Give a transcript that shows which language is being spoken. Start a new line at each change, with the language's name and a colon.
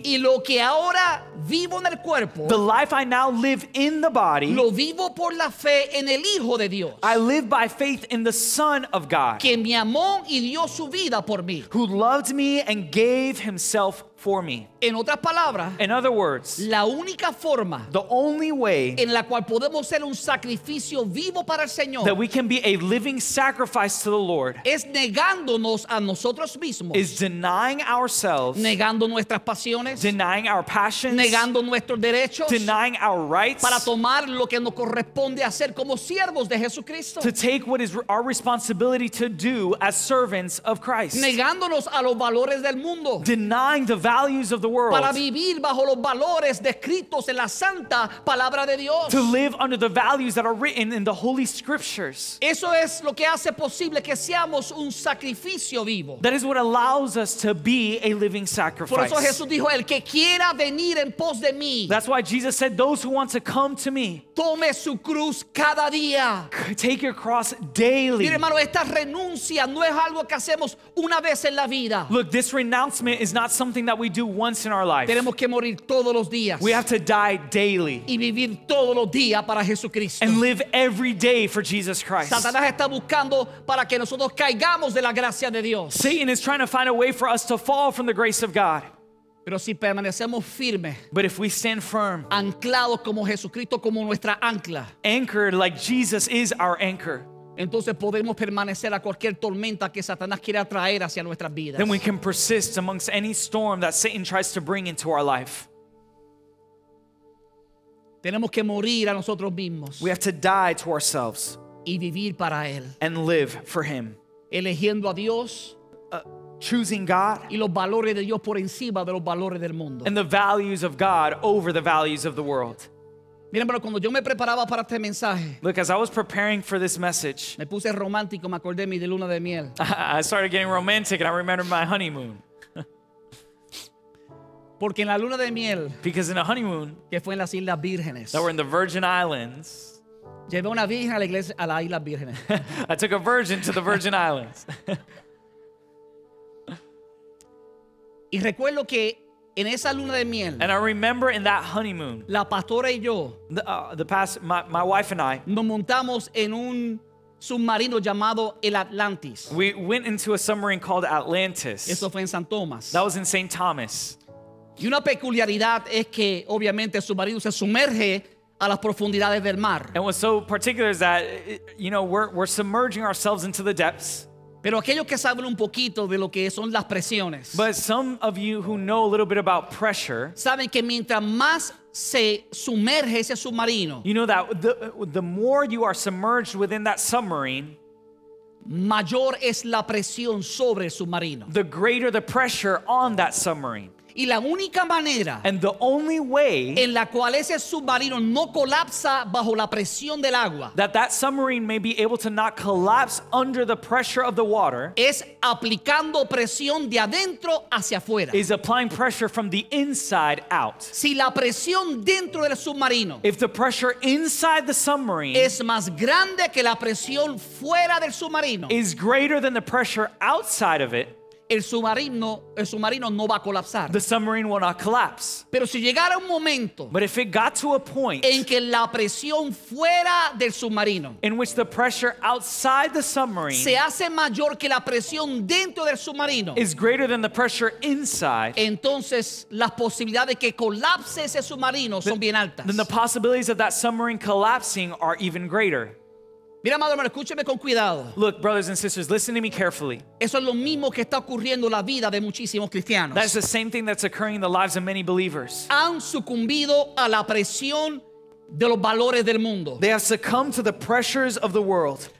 Spanish: Y lo que ahora vivo en el cuerpo,
English: the life I now live in the body,
Spanish: lo vivo por la fe en el Hijo de Dios.
English: I live by faith in the Son of God,
Spanish: que me amó y dio su vida por mí,
English: who loved me and gave himself for me.
Spanish: En otras palabras,
English: in other words,
Spanish: la única forma,
English: the only way,
Spanish: en la cual podemos ser un sacrificio vivo para el Señor,
English: that we can be a living sacrifice to the Lord,
Spanish: es negándonos a nosotros mismos,
English: is denying ourselves,
Spanish: negando nuestras pasiones,
English: denying our passions,
Spanish: negando nuestros derechos,
English: denying our rights,
Spanish: para tomar lo que nos corresponde hacer como siervos de Jesucristo,
English: to take what is our responsibility to do as servants of Christ,
Spanish: negándonos a los valores del mundo,
English: denying the values of the world,
Spanish: para vivir bajo los valores descritos en la santa palabra de Dios,
English: to live under the values that are written in the holy scriptures.
Spanish: Eso es lo que hace posible que seamos un sacrificio vivo.
English: That is what allows us to be a living sacrifice.
Spanish: Por eso Jesús dijo, el que quiera venir en pos de mí,
English: that's why Jesus said, those who want to come to me,
Spanish: tome su cruz cada día,
English: take your cross daily.
Spanish: Mire, hermano, esta renuncia no es algo que hacemos una vez en la vida.
English: Look, this renouncement is not something that we do once in our life.
Spanish: Tenemos que morir todos los días.
English: We have to die daily.
Spanish: Y vivir todos los días para Jesucristo.
English: And live every day for Jesus Christ.
Spanish: Satanás está buscando para que nosotros caigamos de la gracia de Dios.
English: Satan is trying to find a way for us to fall from the grace of God.
Spanish: Pero si permanecemos firmes,
English: but if we stand firm,
Spanish: anclados como Jesucristo como nuestra ancla,
English: anchored like Jesus is our anchor,
Spanish: entonces podemos permanecer a cualquier tormenta que Satanás quiera traer hacia nuestras vidas.
English: Then we can persist amongst any storm that Satan tries to bring into our life.
Spanish: Tenemos que morir a nosotros mismos.
English: We have to die to ourselves.
Spanish: Y vivir para Él.
English: And live for Him.
Spanish: Elegiendo a Dios.
English: Choosing God.
Spanish: Y los valores de Dios por encima de los valores del mundo.
English: And the values of God over the values of the world.
Spanish: Mira, pero cuando yo me preparaba para este mensaje,
English: look, as I was preparing for this message,
Spanish: me puse romántico, me acordé de mi luna de miel.
English: I started getting romantic and I remembered my honeymoon.
Spanish: Porque en la luna de miel,
English: because in a honeymoon,
Spanish: que fue en las Islas Vírgenes,
English: that were in the Virgin Islands,
Spanish: llevé una virgen a la iglesia, a las Islas Vírgenes.
English: I took a virgin to the Virgin Islands.
Spanish: Y recuerdo que en esa luna de miel,
English: and I remember in that honeymoon,
Spanish: la pastora y yo,
English: my wife and I,
Spanish: nos montamos en un submarino llamado el Atlantis.
English: We went into a submarine called Atlantis.
Spanish: Eso fue en San Tomás.
English: That was in St. Thomas.
Spanish: Y una peculiaridad es que obviamente el submarino se sumerge a las profundidades del mar.
English: And what's so particular is that, you know, we're submerging ourselves into the depths.
Spanish: Pero aquellos que saben un poquito de lo que son las presiones,
English: but some of you who know a little bit about pressure,
Spanish: saben que mientras más se sumerge ese submarino,
English: you know that the more you are submerged within that submarine,
Spanish: mayor es la presión sobre el submarino.
English: The greater the pressure on that submarine.
Spanish: Y la única manera,
English: and the only way,
Spanish: en la cual ese submarino no colapsa bajo la presión del agua,
English: that submarine may be able to not collapse under the pressure of the water,
Spanish: es aplicando presión de adentro hacia afuera.
English: Is applying pressure from the inside out.
Spanish: Si la presión dentro del submarino,
English: if the pressure inside the submarine,
Spanish: es más grande que la presión fuera del submarino,
English: is greater than the pressure outside of it,
Spanish: el submarino no va a colapsar.
English: The submarine will not collapse.
Spanish: Pero si llegara un momento,
English: but if it got to a point,
Spanish: en que la presión fuera del submarino,
English: in which the pressure outside the submarine,
Spanish: se hace mayor que la presión dentro del submarino,
English: is greater than the pressure inside,
Spanish: entonces las posibilidades de que colapse ese submarino son bien altas.
English: Then the possibilities of that submarine collapsing are even greater.
Spanish: Mira, madre, escúcheme con cuidado.
English: Look, brothers and sisters, listen to me carefully.
Spanish: Eso es lo mismo que está ocurriendo en la vida de muchísimos cristianos.
English: That's the same thing that's occurring in the lives of many believers.
Spanish: Han sucumbido a la presión de los valores del mundo.
English: They have succumbed to the pressures of the world.